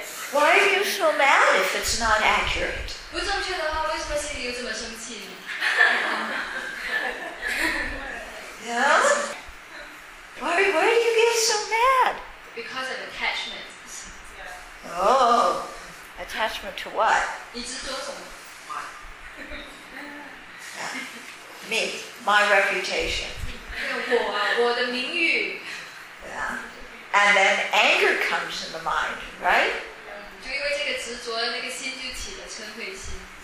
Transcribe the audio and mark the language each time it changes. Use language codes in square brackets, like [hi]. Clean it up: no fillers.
[en] Why are you so mad if it's not accurate? [zh] 不正确的话，为什么心里又这么生气呢？ [en] Yeah? Why do you get so mad? Because of attachment. Oh. Attachment to what? [zh] 你执着什么? [en] Me, my reputation. [zh] 我的名誉. [en] Yeah. And then anger comes in the mind, right? [zh] 就因为这个执着，那个心就起了嗔恚心.